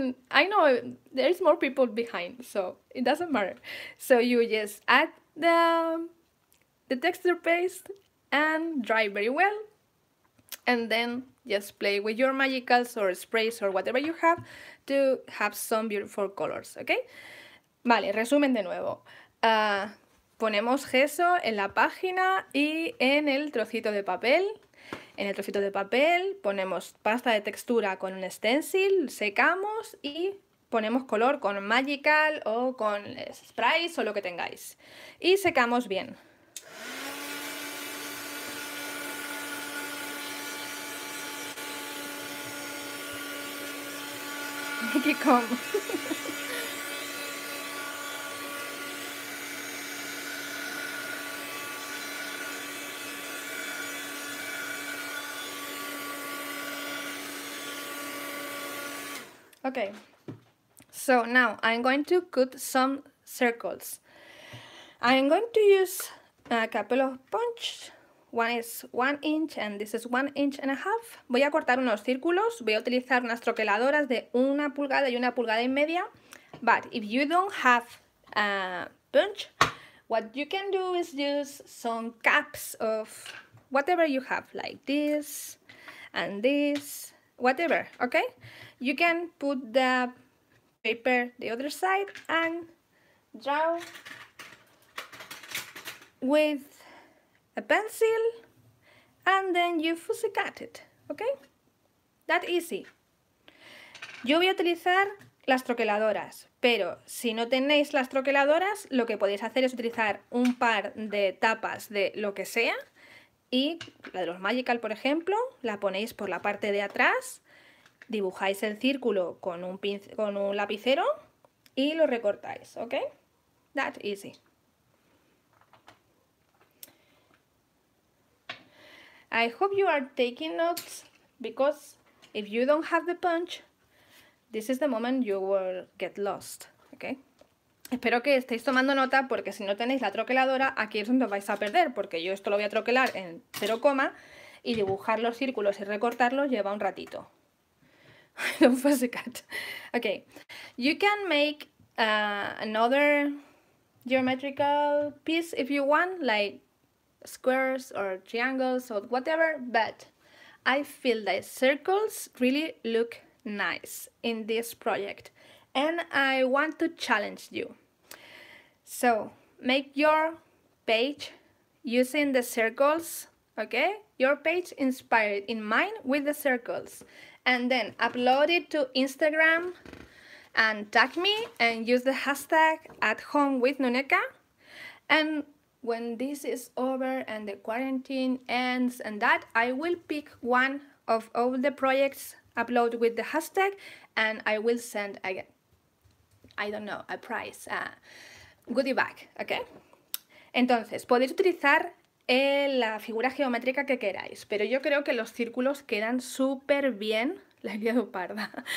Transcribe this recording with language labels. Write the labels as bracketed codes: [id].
[en] I know there's more people behind, so it doesn't matter. So you just add the texture paste and dry very well. And then just play with your magicals or sprays or whatever you have to have some beautiful colors, okay? [es] Vale, resumen de nuevo. Ponemos gesso en la página y en el trocito de papel. En el trocito de papel ponemos pasta de textura con un stencil, secamos y ponemos color con magical o con sprays o lo que tengáis. Y secamos bien. [en] Make it come. Okay, so now I'm going to cut some circles. I'm going to use a couple of punches. One is 1 inch and this is 1.5 inches. [es] Voy a cortar unos círculos, voy a utilizar unas troqueladoras de una pulgada y una pulgada y media. [en] But if you don't have a punch, what you can do is use some caps of whatever you have, like this and this whatever, okay? You can put the paper the other side and draw with a pencil and then you fussy cut it, okay? That easy. [es] Yo voy a utilizar las troqueladoras, pero si no tenéis las troqueladoras, lo que podéis hacer es utilizar un par de tapas de lo que sea y la de los Magical, por ejemplo, la ponéis por la parte de atrás, dibujáis el círculo con un lapicero y lo recortáis, ¿ok? [en] That easy. I hope you are taking notes because if you don't have the punch, this is the moment you will get lost, okay? [es] Espero que estéis tomando nota porque si no tenéis la troqueladora, aquí es donde vais a perder, porque yo esto lo voy a troquelar en 0, y dibujar los círculos y recortarlos lleva un ratito. [en] Don't fuss a cat. Okay, you can make another geometrical piece if you want, like squares or triangles or whatever, but I feel that circles really look nice in this project and I want to challenge you. So make your page using the circles, okay? Your page inspired in mine with the circles and then upload it to Instagram and tag me and use the hashtag @homewithNuneka. And when this is over and the quarantine ends and that, I will pick one of all the projects upload with the hashtag and I will send, I don't know, a prize, a goodie bag, okay? [es] Entonces, podéis utilizar la figura geométrica que queráis, pero yo creo que los círculos quedan súper bien. La he liado parda.